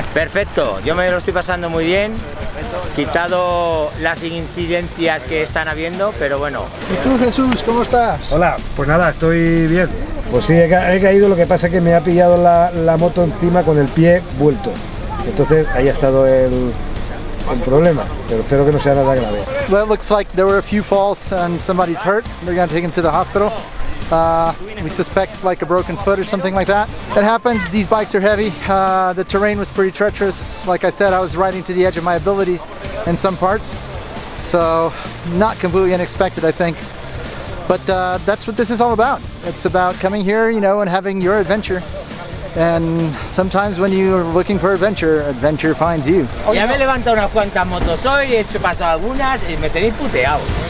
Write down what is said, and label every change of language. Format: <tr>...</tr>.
<es>Perfecto, yo me lo estoy pasando muy bien. Quitado las incidencias que están habiendo, pero bueno. ¿Y tú, Jesús, cómo estás? Hola, pues nada, estoy bien. Pues sí, he caído, lo que pasa es que me ha pillado la moto encima con el pie vuelto. Entonces ahí ha estado el problema, pero espero que no sea nada grave.</es> <en>Well, it looks like there were a few falls and somebody's hurt. They're going to take him to the hospital. We suspect like a broken foot or something like that. It happens, these bikes are heavy. The terrain was pretty treacherous. Like I said, I was riding to the edge of my abilities in some parts. So not completely unexpected, I think. But that's what this is all about. It's about coming here, you know, and having your adventure. And sometimes when you're looking for adventure, adventure finds you.</en> <es>Ya me he levantado unas cuantas motos hoy, he hecho paso algunas y me tenéis puteado.</es>